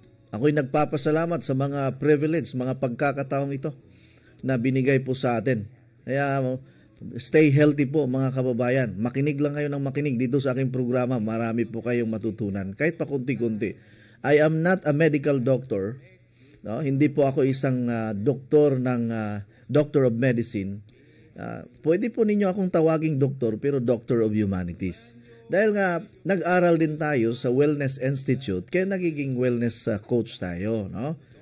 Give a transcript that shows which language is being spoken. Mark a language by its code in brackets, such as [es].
[tl] Ako'y nagpapasalamat sa mga privilege, mga pagkakataong ito na binigay po sa atin. Kaya stay healthy po mga kababayan. Makinig lang kayo ng makinig dito sa aking programa. Marami po kayong matutunan. Kahit pa kunti-kunti. [en] I am not a medical doctor. [tl] No, hindi po ako isang doktor ng Doctor of Medicine. Pwede po ninyo akong tawaging doktor pero Doctor of Humanities. Dahil nga nag-aral din tayo sa Wellness Institute kaya nagiging wellness coach tayo, no?